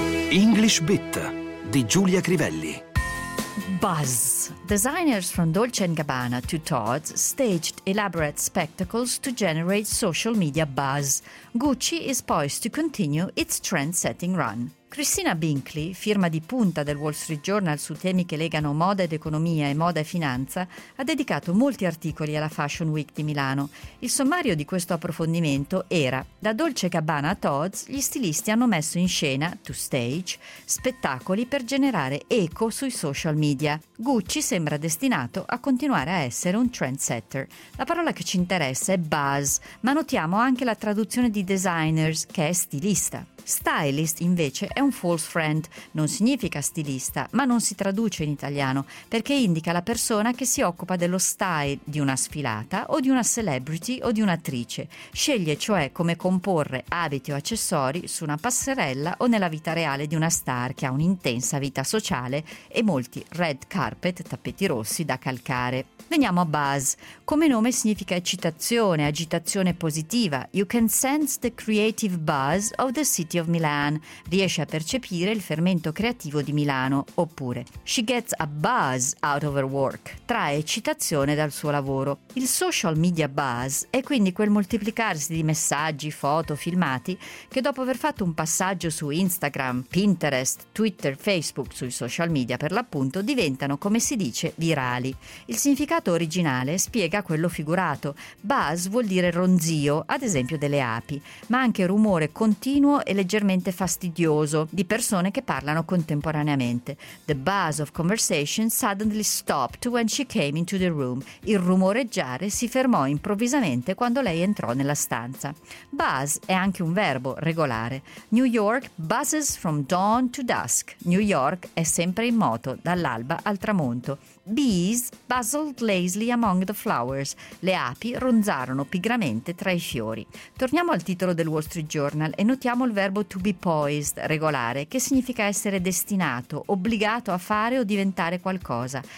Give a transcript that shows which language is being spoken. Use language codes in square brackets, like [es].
[it] English Bit di Giulia Crivelli. [en] Buzz. Designers from Dolce & Gabbana to Tod's staged elaborate spectacles to generate social media buzz. Gucci is poised to continue its trend-setting run. [it] Christina Binkley, firma di punta del Wall Street Journal su temi che legano moda ed economia e moda e finanza, ha dedicato molti articoli alla Fashion Week di Milano. Il sommario di questo approfondimento era: da Dolce & Gabbana a Tod's, gli stilisti hanno messo in scena, to stage, spettacoli per generare eco sui social media. Gucci sembra destinato a continuare a essere un trendsetter. La parola che ci interessa è buzz, ma notiamo anche la traduzione di designers, che è stilista. Stylist, invece, è un false friend, non significa stilista, ma non si traduce in italiano, perché indica la persona che si occupa dello style di una sfilata o di una celebrity o di un'attrice. Sceglie cioè come comporre abiti o accessori su una passerella o nella vita reale di una star che ha un'intensa vita sociale e molti red carpet, tappeti rossi da calcare. Veniamo a buzz. Come nome significa eccitazione, agitazione positiva. [en] You can sense the creative buzz of the city of Milan. [it] Riesce a percepire il fermento creativo di Milano. Oppure, [en] she gets a buzz out of her work. [it] Trae eccitazione dal suo lavoro. Il social media buzz è quindi quel moltiplicarsi di messaggi, foto, filmati che dopo aver fatto un passaggio su Instagram, Pinterest, Twitter, Facebook, sui social media per l'appunto, diventano, come si dice, virali. Il significato originale spiega quello figurato. Buzz vuol dire ronzio, ad esempio delle api, ma anche rumore continuo e leggermente fastidioso di persone che parlano contemporaneamente. [en] The buzz of conversation suddenly stopped when she came into the room. [it] Il rumoreggiare si fermò improvvisamente quando lei entrò nella stanza. Buzz è anche un verbo regolare. [en] New York buzzes from dawn to dusk. [it] New York è sempre in moto, dall'alba al tramonto. [en] Bees buzzled lazily among the flowers. [it] Le api ronzarono pigramente tra i fiori. Torniamo al titolo del Wall Street Journal e notiamo il verbo to be poised, regolare, che significa essere destinato, obbligato a fare o diventare qualcosa.